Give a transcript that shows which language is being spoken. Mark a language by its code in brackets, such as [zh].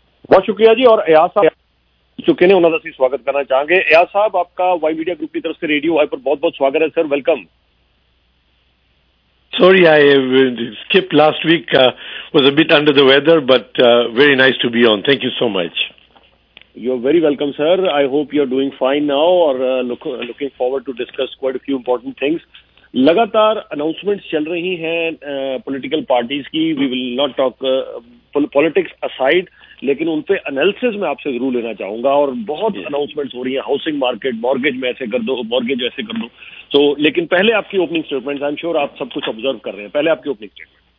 [pa] ਬਹੁਤ ਸ਼ੁਕਰੀਆ ਜੀ, ਔਰ ਅਯਾਜ਼ ਸਾਹਬ ਚੁਕੇ ਨੇ, ਉਨ੍ਹਾਂ ਦਾ ਅਸੀ ਸਵਾਗਤ ਕਰਨਾ ਚਾਹਾਂਗੇ। [hi] अयाज़ साहब, आपका Y Media Group की तरफ़ से Radio Y पर बहुत बहुत स्वागत है [en] sir, welcome. Sorry, I skipped last week. Was a bit under the weather, but very nice to be on. Thank you so much. You're very welcome, sir. I hope you're doing fine now, or looking forward to discuss quite a few important things. [hi] लगातार announcements चल रही हैं political parties की। [en] We will not talk politics aside, [hi] लेकिन उनपे analysis में आपसे ज़रूर लेना चाहूँगा। और बहुत अनाउंसमेंट्स हो रही हैं हाउसिंग मार्केट, मॉर्गेज में ऐसे कर दो, मॉर्गेज ऐसे कर दो। So, लेकिन पहले आपकी ओपनिंग स्टेटमेंट्स, [en] I'm sure [hi] आप सब कुछ ऑब्ज़र्व कर रहे हैं। पहले आपकी ओपनिंग स्टेटमेंट्स।